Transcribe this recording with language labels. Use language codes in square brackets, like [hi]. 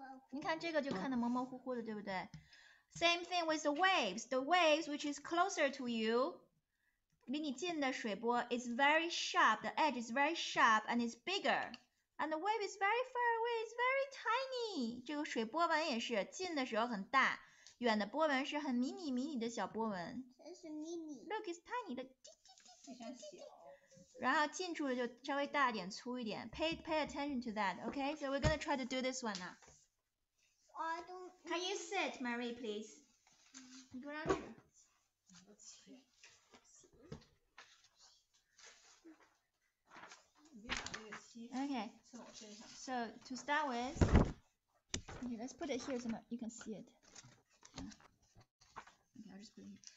[zh] 你看这个就看得模模糊糊的，对不对？ [en] Same thing with the waves. The waves, which is closer to you, [zh] 离你近的水波, [en] is very sharp. The edge is very sharp and it's bigger. And the wave is very far away, it's very tiny. [zh] 这个水波纹也是, 近的时候很大, 远的波纹是很迷你的小波纹。这是迷你。 [en] Look, it's tiny, like 滴滴滴滴滴滴。 [zh] 然后近处的就稍微大一点, 粗一点。 [en] Pay attention to that, okay? So we're gonna try to do this one now. I don't... Can you sit, Marie, please? Go down here. Okay, so to start with, okay, let's put it here so you can see it. Yeah. Okay, I'll just put it here.